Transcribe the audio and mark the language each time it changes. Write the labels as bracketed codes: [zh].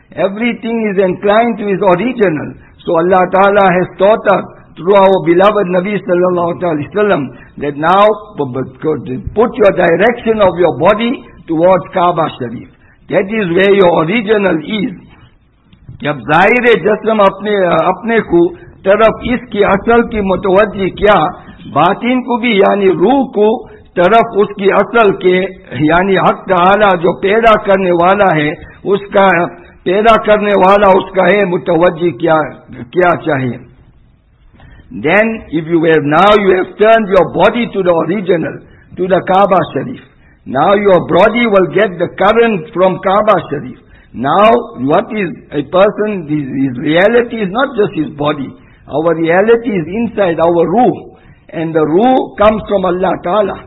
[en] Everything is inclined to its original. So Allah Ta'ala has taught us through our beloved Nabi Sallallahu Alaihi Wasallam that now put your direction of your body towards Kaaba Sharif. That is where your original is. [ur] جب ظاہر جسم اپنے کو طرف اس کی اصل کی متوجہ کیا باطن کو بھی یعنی روح کو طرف اس کی اصل کے یعنی حق تعالی جو پیدا کرنے والا ہے اس کا پیدا کرنے والا اس کا ہے متوجہ کیا چاہیے [en] Then if you have, now you have turned your body to the original, to the Kaaba Sharif. Now your body will get the current from Kaaba Sharif. Now what is a person, his reality is not just his body. Our reality is inside our ruh. And the ruh comes from Allah Ta'ala.